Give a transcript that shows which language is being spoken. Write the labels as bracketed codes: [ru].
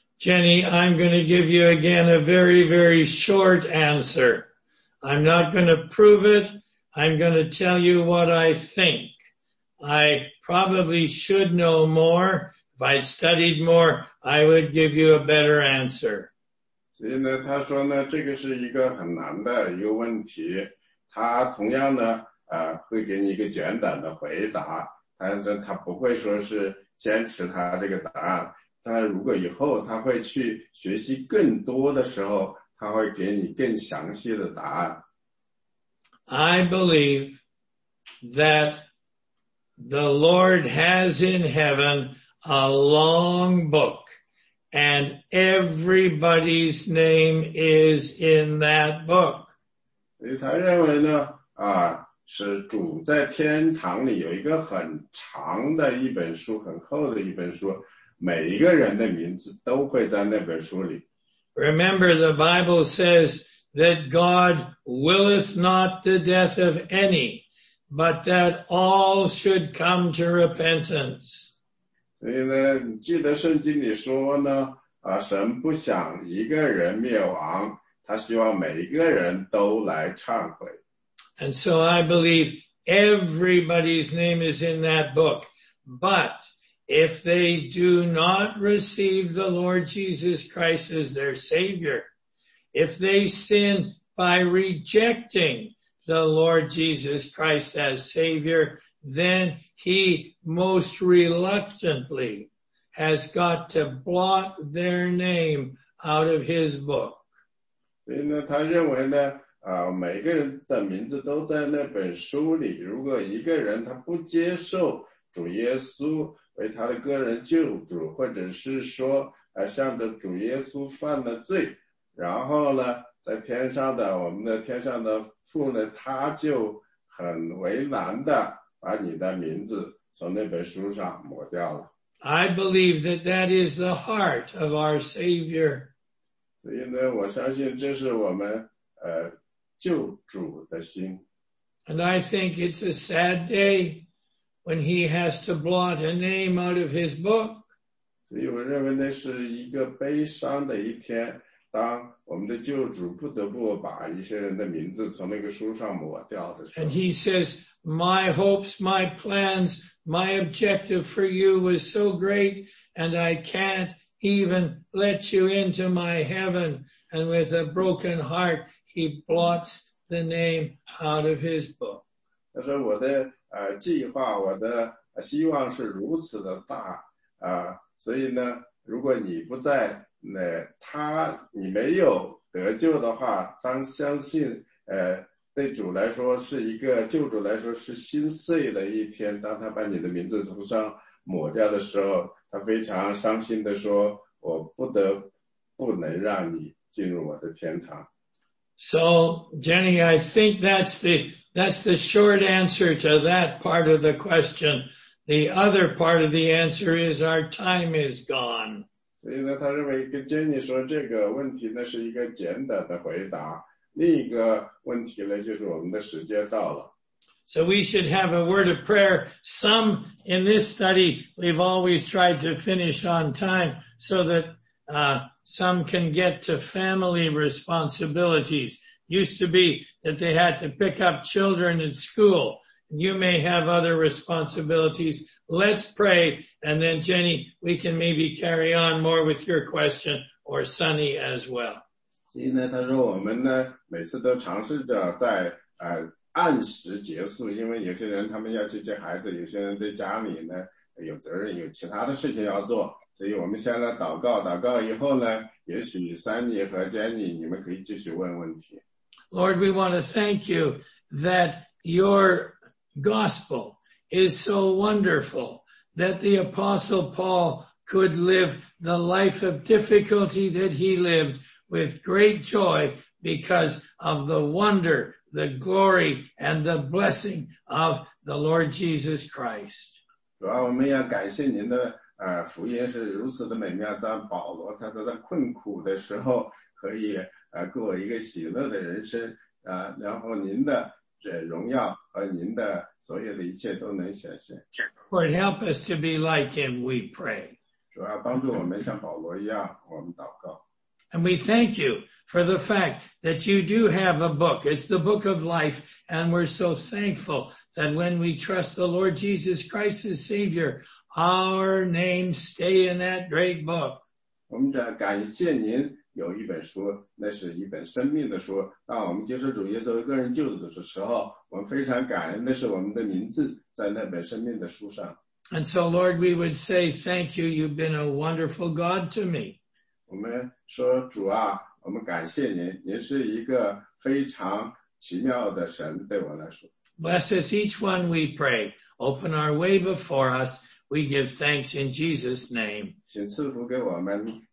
[en] Jenny, I'm going to give you again a very, very short answer. I'm not going to prove it. I'm going to tell you what I think. I probably should know more. If I studied more, I would give you a better answer. [zh] 所以呢，他说呢，这个是一个很难的一个问题。他同样呢，会给你一个简短的回答，但是他不会说是坚持他这个答案。但如果以后他会去学习更多的时候，他会给你更详细的答案。 [en] I believe that the Lord has in heaven a long book, and everybody's name is in that book. [zh] 所以他认为呢，是主在天堂里有一个很长的一本书，很厚的一本书。每一个人的名字都会在那本书里。 [en] Remember, the Bible says that God willeth not the death of any, but that all should come to repentance. [zh] 所以呢，记得圣经里说呢，啊，神不想一个人灭亡，他希望每一个人都来忏悔。 [en] And so I believe everybody's name is in that book, but if they do not receive the Lord Jesus Christ as their Savior, if they sin by rejecting the Lord Jesus Christ as Savior, then He most reluctantly has got to blot their name out of His book. [zh] 所以呢，他认为呢，啊，每个人的名字都在那本书里。如果一个人他不接受主耶稣为他的个人救主，或者是说，向着主耶稣犯了罪，然后呢，在天上的我们的天上的父呢，他就很为难的把你的名字从那本书上抹掉了。 [en] I believe that that is the heart of our Savior. [zh] 所以呢，我相信这是我们救主的心。 [en] And I think it's a sad day when he has to blot a name out of his book. [zh] 所以我认为那是一个悲伤的一天，当我们的救主不得不把一些人的名字从那个书上抹掉的时候。 [en] And he says, my hopes, my plans, my objective for you was so great, and I can't even let you into my heaven. And with a broken heart, he blots the name out of his book. [zh] 他说我的计划，我的希望是如此的大啊，所以呢，如果你不在那他，你没有得救的话，当相信对主来说是一个救主来说是心碎的一天，当他把你的名字从上抹掉的时候，他非常伤心的说，我不得不能让你进入我的天堂。 [en] So, Jenny, I think that's the short answer to that part of the question. The other part of the answer is our time is gone. [zh] 所以呢，他认为跟 Jenny 说这个问题呢是一个简短的回答。另一个问题呢，就是我们的时间到了。 [en] So we should have a word of prayer. Some in this study, we've always tried to finish on time so that, some can get to family responsibilities. Used to be that they had to pick up children at school. You may have other responsibilities. Let's pray, and then Jenny, we can maybe carry on more with your question or Sunny as well. [zh] 所以呢，他说我们呢，每次都尝试着在按时结束，因为有些人他们要去接孩子，有些人在家里呢有责任，有其他的事情要做。所以我们先来祷告，祷告以后呢，也许Sunny和Jenny你们可以继续问问题。 [en] Lord, we want to thank you that your gospel is so wonderful that the apostle Paul could live the life of difficulty that he lived with great joy because of the wonder, the glory, and the blessing of the Lord Jesus Christ. [zh] 主啊，我们要感谢您的福音是如此的美妙，但保罗他都在困苦的时候可以过一个喜乐的人生啊，然后您的这荣耀和您的所有的一切都能显现。 [en] Lord, help us to be like him, we pray. [zh] 主要帮助我们像保罗一样，我们祷告。 [en] And we thank you for the fact that you do have a book. It's the book of life, and we're so thankful that when we trust the Lord Jesus Christ as Savior, our names stay in that great book. [zh] 我们的感谢您有一本书，那是一本生命的书。当我们接受主耶稣为个人救主的时候，我们非常感恩的是我们的名字在那本生命的书上。 [en] And so, Lord, we would say thank you. You've been a wonderful God to me. [zh] 我们说主啊，我们感谢您，您是一个非常奇妙的神对我来说。 [en] Bless us each one, we pray. Open our way before us. We give thanks in Jesus' name. [zh] 请赐福给我们。